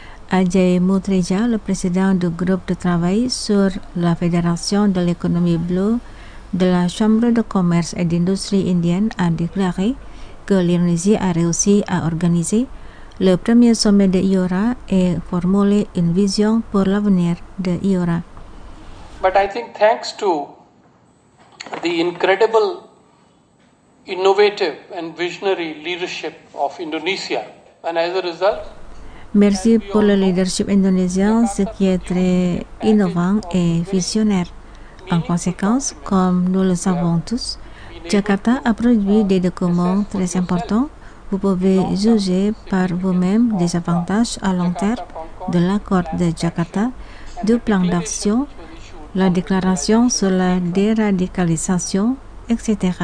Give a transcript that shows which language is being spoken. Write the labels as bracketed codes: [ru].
[fr] Ajay Mutreja, le président du groupe de travail sur la Fédération de l'économie bleue de la Chambre de commerce et d'industrie indienne, a déclaré que l'Indonésie a réussi à organiser le premier sommet de IORA et formuler une vision pour l'avenir de IORA. [en] But I think thanks to the incredible, innovative and visionary leadership of Indonesia, and as a result, [fr] merci pour le leadership indonésien, ce qui est très innovant et visionnaire. En conséquence, comme nous le savons tous, Jakarta a produit des documents très importants. Vous pouvez juger par vous-même des avantages à long terme de l'accord de Jakarta, du plan d'action, la déclaration sur la déradicalisation, etc.